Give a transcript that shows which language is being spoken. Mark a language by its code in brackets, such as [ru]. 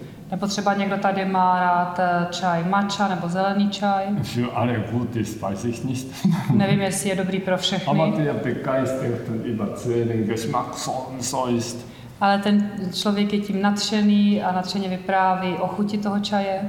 [cs] Nebo třeba někdo tady má rád čaj matcha nebo zelený čaj. [de] Ale gut ist, weiß ich nicht. [cs] Nevím, jestli je dobrý pro všechny. Ale ten člověk je tím nadšený a nadšeně vypráví o chuti toho čaje.